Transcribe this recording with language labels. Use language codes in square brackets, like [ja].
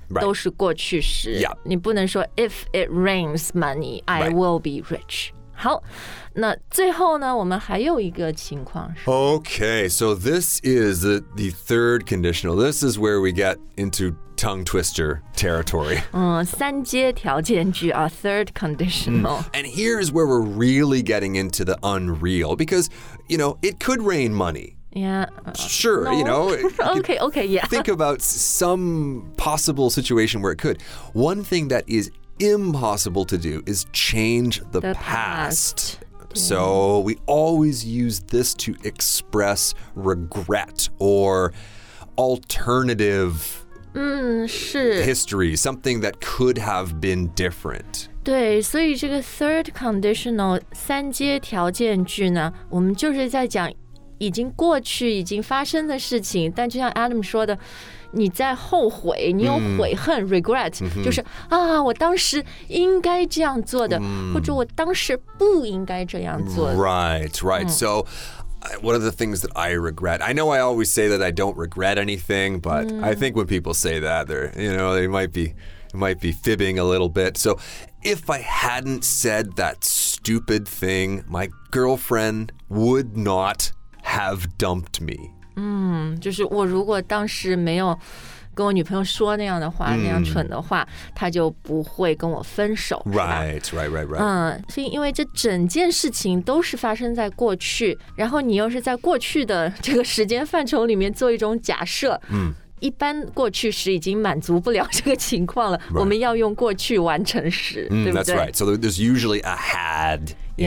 [en] Right. [zh] 都是过去式、 [en] yep. [zh] 你不能说 [en] if it rains money I、 right. will be rich [zh] 好那最后呢我们还有一个情况是 [en] Okay, so this is the third conditional. This is where we get into tongue twister territory. [zh] 三阶条件句 [en] a third conditional. And here is where we're really getting into the unreal because, you know, it could rain money Yeah, sure, no. You know. okay, yeah. Think about some possible situation where it could. One thing that is impossible to do is change the past. So we always use this to express regret or alternative history, something that could have been different. [zh] 对，所以这个 [en] third conditional [zh] 三阶条件句呢，我们就是在讲已经过去已经发生的事情但就像 Adam 说的你在后悔你有悔恨 [en] regret [zh] 就是啊我当时应该这样做的或者我当时不应该这样做的 [en] Right. So one of the things that I regret I know I always say that I don't regret anything but I think when people say that they're, you know, they might be fibbing a little bit So if I hadn't said that stupid thing my girlfriend would notHave dumped me. [zh] 就是我如果当时没有跟我女朋友说那样的话，那样蠢的话，她就不会跟我分手。 [en] Right. [zh] 所以因为这整件事情都是发生在过去，然后你又是在过去的这个时间范畴里面做一种假设。一般过去时已经满足不了这个情况了、 [en] right. [zh] 我们要用过去完成时、对不对 [en] That's right. So there's usually a had in、